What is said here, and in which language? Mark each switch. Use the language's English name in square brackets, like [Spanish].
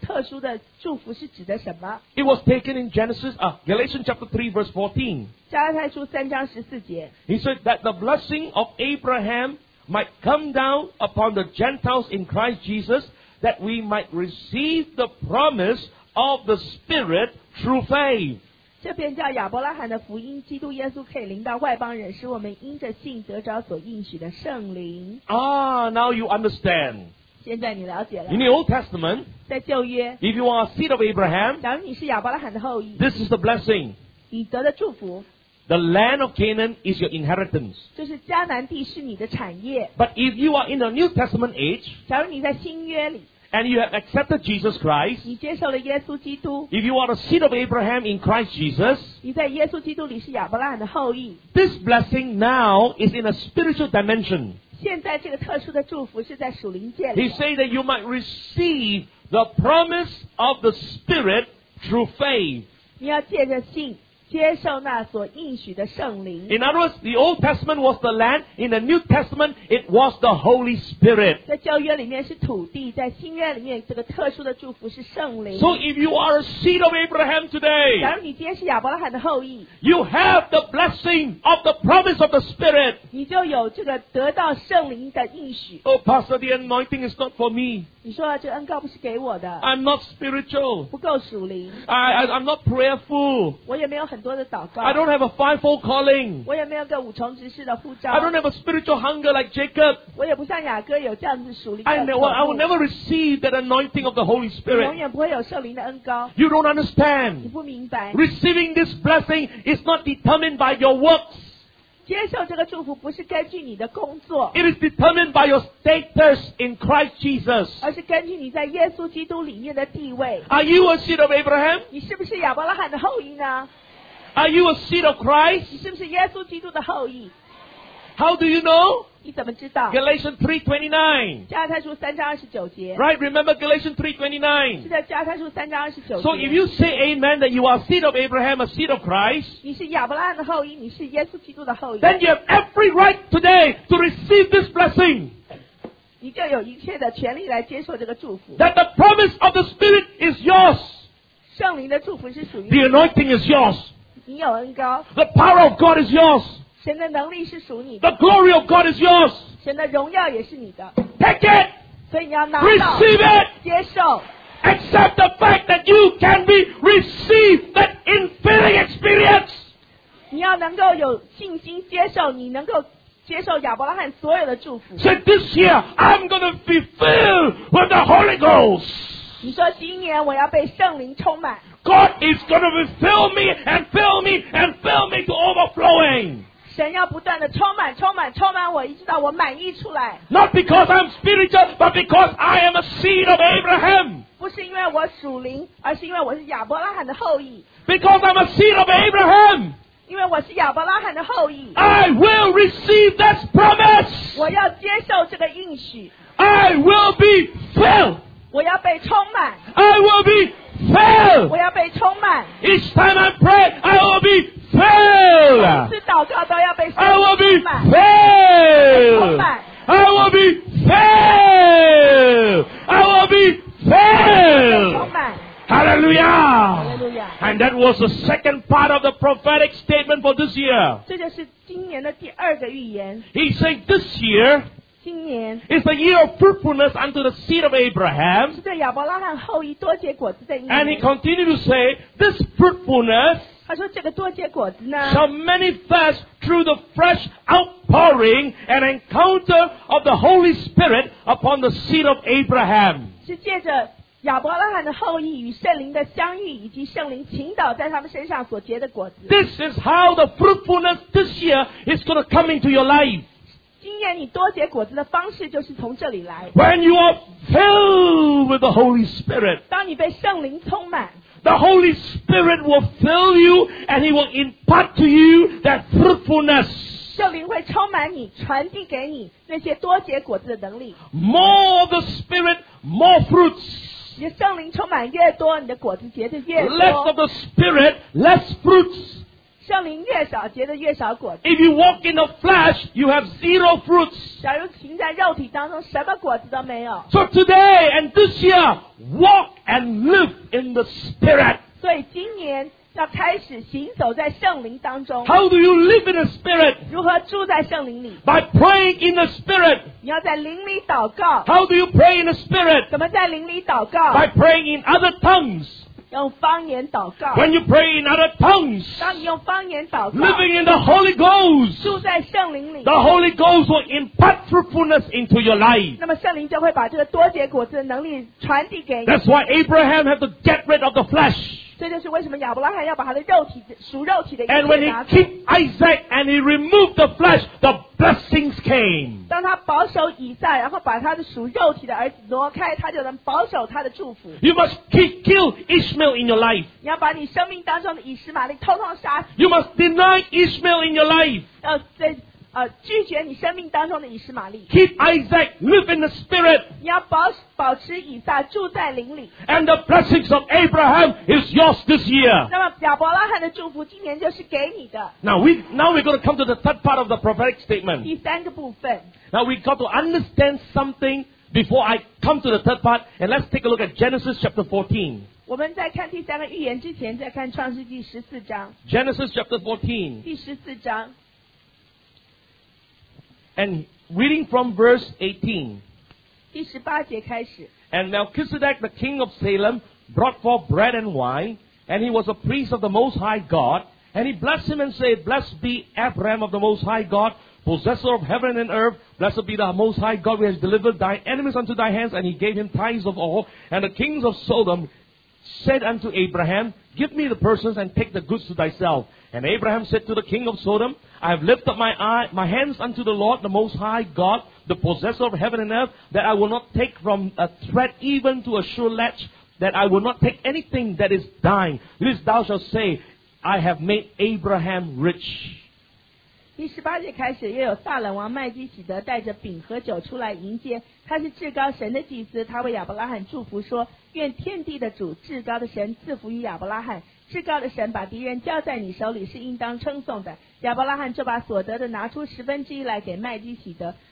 [Chinese] 那么在新约里面亚伯拉罕后裔这种特殊的祝福是指的什么? [English] It was taken in Genesis, Galatians chapter 3 verse 14. [Chinese] 加拉太书3章14节, [English] he said that the blessing of Abraham might come down upon the Gentiles in Christ Jesus, that we might receive the promise of the Spirit through faith. [Chinese] 这便叫亚伯拉罕的福音，基督耶稣可以临到外邦人， 使我们因着信得着所应许的圣灵。 [English] Ah, now you understand. [Chinese] 现在你了解了。 [English] In the Old Testament, [Chinese] 在旧约, [English] if you are a seed of Abraham, [Chinese] 假如你是亚伯拉罕的后裔, [English] this is the blessing. [Chinese] 你得的祝福。 [English] The land of Canaan is your inheritance. [Chinese] 就是迦南地是你的产业。 [English] But if you are in the New Testament age, [Chinese] 假如你在新约里, [English] and you have accepted Jesus Christ, [Chinese] 你接受了耶稣基督, [English] if you are a seed of Abraham in Christ Jesus, [Chinese] 你在耶稣基督里是亚伯拉罕的后裔, [English] this blessing now is in a spiritual dimension. [Chinese] 现在这个特殊的祝福是在属灵界里。 [English] He said that you might receive the promise of the Spirit through faith. [Chinese] 你要借着信接受那所应许的圣灵。 [English] In other words, the Old Testament was the land. In the New Testament, it was the Holy Spirit. [Chinese] 在旧约里面是土地，在新约里面这个特殊的祝福是圣灵。 [English] So if you are a seed of Abraham today, [Chinese] 假如你今天是亚伯拉罕的后裔， [English] you have the blessing of the promise of the Spirit. [Chinese] 你就有这个得到圣灵的应许。 [English] Oh, Pastor, the anointing is not for me. [Chinese] 你说这恩膏不是给我的。 [English] I'm not spiritual. [Chinese] 不够属灵。 [English] I'm not prayerful. [Chinese] 我也没有很多的祷告。 [English] I don't have a fivefold calling. [Chinese] 我也没有个五重执事的护照。 [English] I don't have a spiritual hunger like Jacob. [Chinese] 我也不像雅各有这样子属灵的。 [English] I will never receive that anointing of the Holy Spirit. [Chinese] 永远不会有圣灵的恩膏。 [English] You don't understand. [Chinese] 你不明白。 [English] Receiving this blessing is not determined by your works. [Chinese] 接受这个祝福不是根据你的工作。 [English] It is determined by your status in Christ Jesus. [Chinese] 而是根据你在耶稣基督里面的地位。 [English] Are you a seed of Abraham? [Chinese] 你是不是亚伯拉罕的后裔呢？ [English] Are you a seed of Christ? [Chinese] 你是不是耶稣基督的后裔？ [English] How do you know? [Chinese] 你怎么知道？ [English] Galatians 3:29. [Chinese] 加拉太书三章二十九节。 [English] Right, remember Galatians 3:29. [Chinese] 是的，加拉太书三章二十九节。 [English] So if you say amen that you are a seed of Abraham, a seed of Christ, [Chinese] 你是亚伯拉罕的后裔，你是耶稣基督的后裔。 [English] Then you have every right today to receive this blessing. [Chinese] 你就有一切的权利来接受这个祝福。 [English] That the promise of the Spirit is yours. [Chinese] 圣灵的祝福是属于你。 [English] The anointing is yours. [Chinese] 你有恩膏。 [English] The power of God is yours. [Chinese] 神的能力是属你的。 [English] The glory of God is yours. [Chinese] 神的荣耀也是你的。 [English] Take it. [Chinese] 所以你要拿到。 [English] Receive it. [Chinese] 接受。 [English] Accept the fact that you can be received that infilling experience. [Chinese] 你要能够有信心接受，你能够接受亚伯拉罕所有的祝福。 [English] Say this year I'm going to be filled with the Holy Ghost. [Chinese] 你说今年我要被圣灵充满。 [English] God is going to fill me and fill me and fill me to overflowing. [Chinese] 神要不断地充满充满充满我，一直到我满溢出来。 [English] Not because I'm spiritual, but because I am a seed of Abraham. [Chinese] 不是因为我属灵，而是因为我是亚伯拉罕的后裔。 [English] Because I'm a seed of Abraham. [Chinese] 因为我是亚伯拉罕的后裔。 [English] I will receive this promise. [Chinese] 我要接受这个应许。 [English] I will be filled. [Chinese] 我要被充满。 [English] I will be filled. Fail. [Chinese] 我要被充满。 [English] Each time I pray, I will be filled. [Chinese] 每次祷告都要被充满。 [English] I will be filled. [Chinese] 充满。 [English] I will be filled. I will be filled. [Chinese] 充满。 [English] Hallelujah. Hallelujah. And that was the second part of the prophetic statement for this year. [Chinese] 这就是今年的第二个预言。 [English] He said this year. [Chinese] 今年 [English] It's a year of fruitfulness unto the seed of Abraham. [Chinese] 是对亚伯拉罕后裔多结果子的。 [English] And he continued to say, this fruitfulness [Chinese] 他说这个多结果子呢 [English] shall manifest through the fresh outpouring and encounter of the Holy Spirit upon the seed of Abraham. [Chinese] 是借着亚伯拉罕的后裔与圣灵的相遇以及圣灵倾倒在他们身上所结的果子。 [English] This is how the fruitfulness this year is going to come into your life. [Chinese] 今年你多结果子的方式就是从这里来。 [English] When you are filled with the Holy Spirit, [Chinese] 当你被圣灵充满， [English] the Holy Spirit will fill you and He will impart to you that fruitfulness. [Chinese] 圣灵会充满你，传递给你那些多结果子的能力。 [English] More of the Spirit, more fruits. [Chinese] 你的圣灵充满越多，你的果子结得越多。 [English] Less of the Spirit, less fruits. [Chinese] 圣灵越少结的越少果子。 [English] If you walk in the flesh, you have zero fruits. [Chinese] 假如行在肉体当中，什么果子都没有。 [English] So today and this year, walk and live in the Spirit. [Chinese] 所以今年要开始行走在圣灵当中。 [English] How do you live in the Spirit? [Chinese] 如何住在圣灵里？ [English] By praying in the Spirit. [Chinese] 你要在灵里祷告。 [English] How do you pray in the Spirit? [Chinese] 怎么在灵里祷告？ [English] By praying in other tongues. [Chinese] 用方言祷告。 [English] When you pray in other tongues, [Chinese] 当你用方言祷告。 [English] Living in the Holy Ghost, [Chinese] 住在圣灵里。 [English] The Holy Ghost will impart fruitfulness into your life. [Chinese] 那么圣灵就会把这个多结果子的能力传递给你。 [English] That's why Abraham had to get rid of the flesh. [Chinese] 这就是为什么亚伯拉罕要把他的肉体属肉体的一切拿走。 [English] And when he kept Isaac and he removed the flesh, the blessings came. [Chinese] 当他保守以撒，然后把他的属肉体的儿子挪开，他就能保守他的祝福。 [English] You must kill Ishmael in your life. [Chinese] 你要把你生命当中的以实玛利统统杀死。 [English] You must deny Ishmael in your life. [Chinese] 拒绝你生命当中的以实玛利。 [English] Keep Isaac, live in the spirit. [Chinese] 你要保持以撒住在灵里。 [English] And the blessings of Abraham is yours this year. [Chinese] 那么亚伯拉罕的祝福今年就是给你的。 [English] Now we're going to come to the third part of the prophetic statement. [Chinese] 第三个部分。 [English] Now we got to understand something before I come to the third part, and let's take a look at Genesis chapter 14. [Chinese] 我们在看第三个预言之前，再看创世纪十四章。 [English] Genesis chapter 14. [Chinese] 第十四章。 [English] And reading from verse 18. [Chinese] 第十八节开始。 [English] And Melchizedek, the king of Salem, brought forth bread and wine, and he was a priest of the Most High God, and he blessed him and said, Blessed be Abraham of the Most High God, possessor of heaven and earth, blessed be the Most High God, who has delivered thy enemies unto thy hands, and he gave him tithes of all. And the kings of Sodom said unto Abraham, Give me the persons and take the goods to thyself. And Abraham said to the king of Sodom, I have lifted up my hands unto the Lord, the Most High God, the possessor of heaven and earth, that I will not take from a thread even to a sure latch, that I will not take anything that is thine. This thou shalt say, I have made Abraham rich. [Chinese] 第十八节开始，又有撒冷王麦基洗德带着饼和酒出来迎接。他是至高神的祭司，他为亚伯拉罕祝福说：愿天地的主，至高的神赐福于亚伯拉罕。至高的神把敌人交在你手里，是应当称颂的。亚伯拉罕就把所得的拿出十分之一来给麦基洗德。